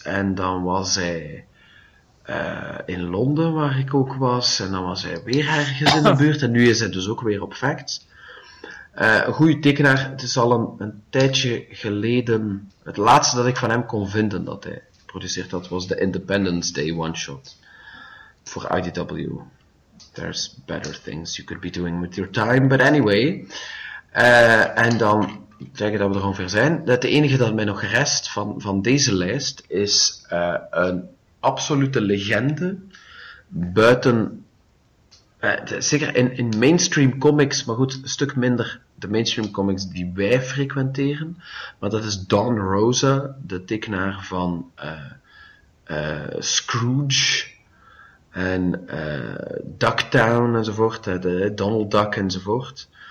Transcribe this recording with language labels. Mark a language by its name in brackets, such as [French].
[Dutch] En dan was hij in Londen, waar ik ook was. En dan was hij weer ergens in de buurt. En nu is hij dus ook weer op Facts. Een goede tekenaar. Het is al een tijdje geleden. Het laatste dat ik van hem kon vinden dat hij produceert, dat was de Independence Day one-shot. Voor IDW. [English] There's better things you could be doing with your time. But anyway. [Dutch] En dan zeggen dat we er ongeveer zijn. Het enige dat mij nog rest van deze lijst is een absolute legende buiten zeker in mainstream comics, maar goed, een stuk minder de mainstream comics die wij frequenteren, maar dat is Don Rosa, de tekenaar van Scrooge en Ducktown enzovoort, Donald Duck enzovoort.